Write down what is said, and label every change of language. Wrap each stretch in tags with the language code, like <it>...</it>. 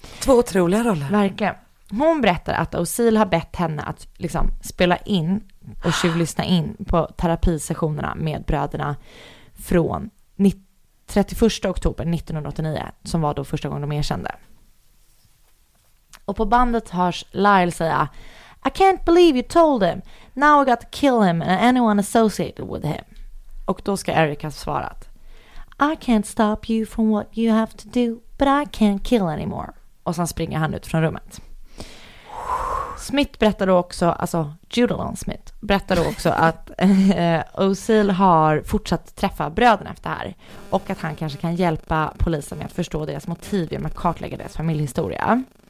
<sv>Två otroliga roller. Verkligen. Hon berättar att O'Seal har bett henne att liksom spela in och tjuvlyssna in på terapisessionerna med bröderna från 31 oktober 1989, som var då första gången de erkände. Och på bandet hörs Lyle säga,</sv> <en>I can't believe you told him. Now I got to kill him and anyone associated with him.</en> <sv>Och då ska Erica svara,</sv> <en>I can't stop you from what you have to do, but I can't kill anymore.</en> <sv>Och sen springer han ut från rummet. Smith berättar då också, alltså Judalon Smith, berättar då också att O'Seal har fortsatt träffa bröderna efter det här. Och att han kanske kan hjälpa polisen med att förstå deras motiv genom att kartlägga deras familjehistoria.</sv>